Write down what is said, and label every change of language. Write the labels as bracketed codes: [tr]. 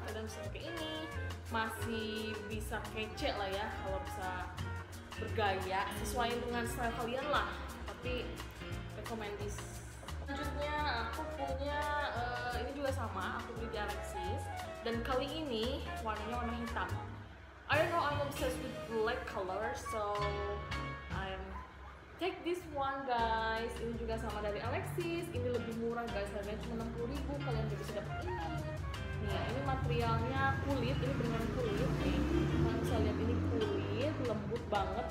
[id] Kadang bisa pakai ini, masih bisa kece lah ya, kalau bisa bergaya sesuai dengan style kalian lah. Tapi recommended. Selanjutnya aku punya ini juga sama, aku beli di Alexis. Dan kali ini warnanya warna hitam. [en] I don't know, I'm obsessed with black color, so I'm take this one guys. [id] Ini juga sama dari Alexis. Ini lebih murah guys, harganya cuma Rp60.000. Kalian juga bisa dapat ini. Nih, ini materialnya kulit. Ini beneran kulit nih. Kalian bisa lihat ini kulit, lembut banget.